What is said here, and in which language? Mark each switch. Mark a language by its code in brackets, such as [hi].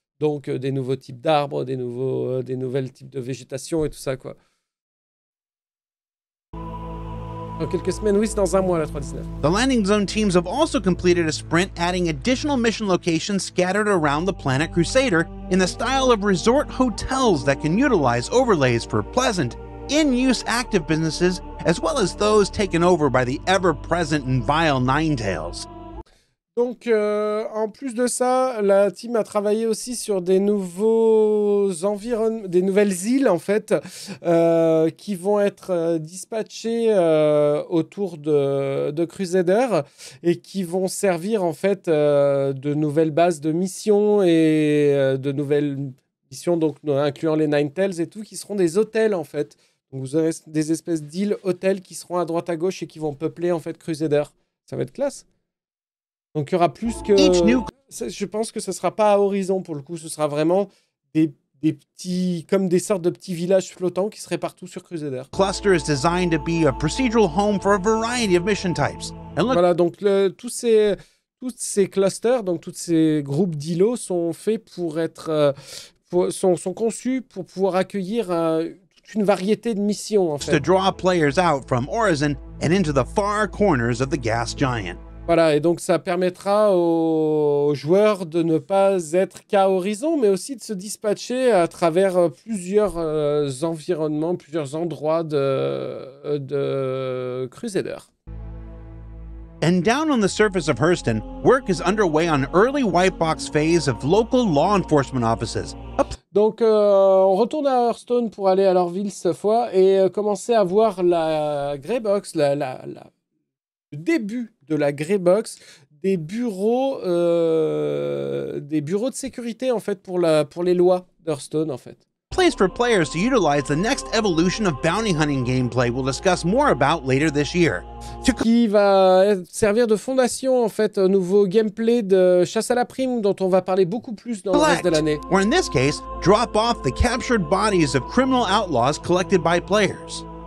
[fr] Donc des nouveaux types d'arbres, des nouvelles types de végétation et tout ça, quoi. Dans quelques semaines, oui, c'est dans un mois, la 3.19. [en] The landing zone teams have also completed a sprint adding additional mission locations scattered around the planet Crusader in the style of resort hotels that can utilize overlays for pleasant, in-use active businesses as well as those taken over by the ever-present and vile Ninetales. [fr] Donc, en plus de ça, la team a travaillé aussi sur des nouveaux environnements, des nouvelles îles, en fait, qui vont être dispatchées autour de Crusader et qui vont servir, en fait, de nouvelles bases de missions et de nouvelles missions, donc incluant les Ninetales et tout, qui seront des hôtels, en fait. Donc, vous aurez des espèces d'îles hôtels qui seront à droite à gauche et qui vont peupler, en fait, Crusader. Ça va être classe. Donc il y aura plus que... Je pense que ce ne sera pas à Horizon pour le coup, ce sera vraiment des petits... comme des sortes de petits villages flottants qui seraient partout sur Crusader. [en] Cluster is designed to be a procedural home for a variety of mission types. [fr] Voilà, donc tous ces clusters, donc tous ces groupes d'îlots sont faits pour être... sont conçus pour pouvoir accueillir toute une variété de missions, en fait. [en] To draw players out from Horizon and into the far corners of the gas giant. [fr] Voilà, et donc ça permettra aux joueurs de ne pas être qu'à Horizon, mais aussi de se dispatcher à travers plusieurs environnements, plusieurs endroits de Crusader. [en] And down on the surface of Hurston, work is underway on early white box phase of local law enforcement offices. [fr] Hop. Donc, on retourne à Hurston pour aller à leur ville cette fois et commencer à voir la Grey Box, le début de la Grey Box, des bureaux de sécurité en fait pour les lois d'Hearthstone en fait. [en] Place for players to utilize the next evolution of bounty hunting gameplay we'll discuss more about later this year. [fr] Qui va servir de fondation en fait au nouveau gameplay de chasse à la prime dont on va parler beaucoup plus dans [en] collect, [fr] le reste de l'année. [en] Or in this case, drop off the captured bodies of criminal outlaws collected by players.